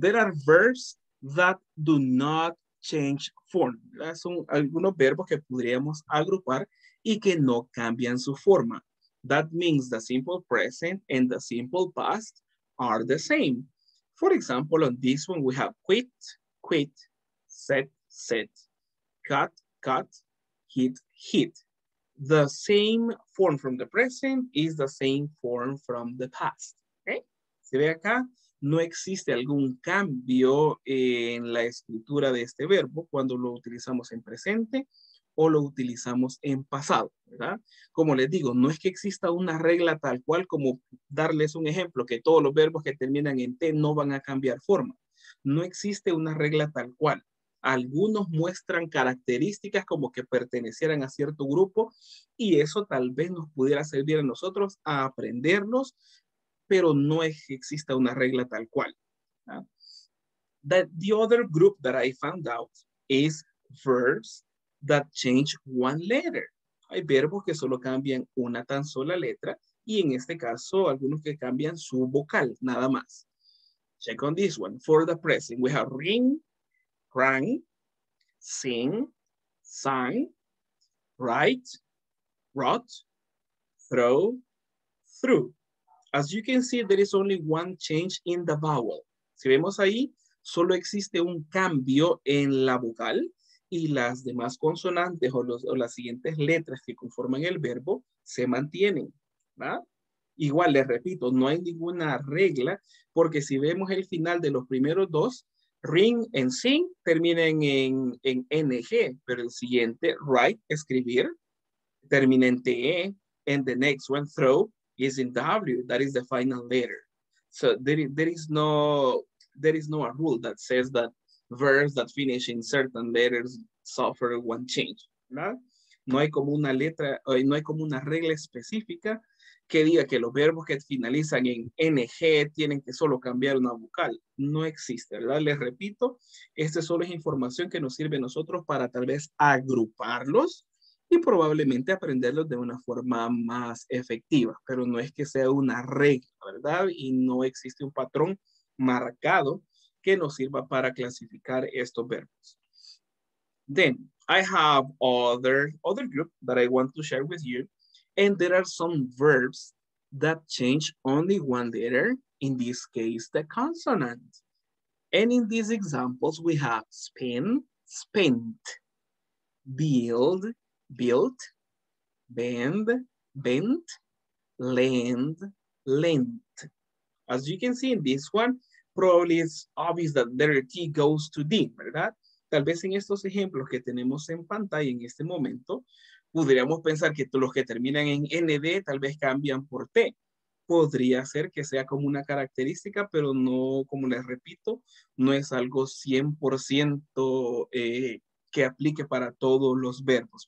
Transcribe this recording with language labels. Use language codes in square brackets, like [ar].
[en] There are verbs that do not change form. [es] Son algunos verbos que podríamos agrupar y que no cambian su forma. [en] That means the simple present and the simple past are the same. For example, on this one, we have quit, set, cut, hit. The same form from the present is the same form from the past. Okay? [es] Se ve acá, no existe algún cambio en la escritura de este verbo cuando lo utilizamos en presente o lo utilizamos en pasado, ¿verdad? Como les digo, no es que exista una regla tal cual como darles un ejemplo, que todos los verbos que terminan en T no van a cambiar forma. No existe una regla tal cual. Algunos muestran características como que pertenecieran a cierto grupo y eso tal vez nos pudiera servir a nosotros a aprenderlos, pero no es que exista una regla tal cual. [en] The other group that I found out is verbs that change one letter. [es] Hay verbos que solo cambian una tan sola letra y en este caso algunos que cambian su vocal, nada más. [en] Check on this one. For the present, we have ring, rang, sing, sang, write, wrote, throw, threw. As you can see, there is only one change in the vowel. [es] Si vemos ahí, solo existe un cambio en la vocal y las demás consonantes o las siguientes letras que conforman el verbo se mantienen, ¿verdad? Igual, les repito, no hay ninguna regla, porque si vemos el final de los primeros dos, ring y sing terminan en ng, pero el siguiente, write, escribir, termina en te, [en] and the next one, throw, is in w, that is the final letter. So there is no a rule that says that verbs that finish in certain letters suffer one change, ¿verdad? [es] No hay como una letra, no hay como una regla específica que diga que los verbos que finalizan en ng tienen que solo cambiar una vocal. No existe, ¿verdad? Les repito, esta solo es información que nos sirve a nosotros para tal vez agruparlos y probablemente aprenderlos de una forma más efectiva. Pero no es que sea una regla, ¿verdad? Y no existe un patrón marcado que nos sirva para clasificar estos verbos. [en] Then, I have other group that I want to share with you. And there are some verbs that change only one letter, in this case, the consonant. And in these examples, we have spin, spent, build, built, bend, bent, lend, lent. As you can see in this one, probably it's obvious that letter T goes to D, ¿verdad? [es] Tal vez en estos ejemplos que tenemos en pantalla en este momento, podríamos pensar que los que terminan en ND tal vez cambian por T, podría ser que sea como una característica, pero no, como les repito, no es algo 100% que aplique para todos los verbos.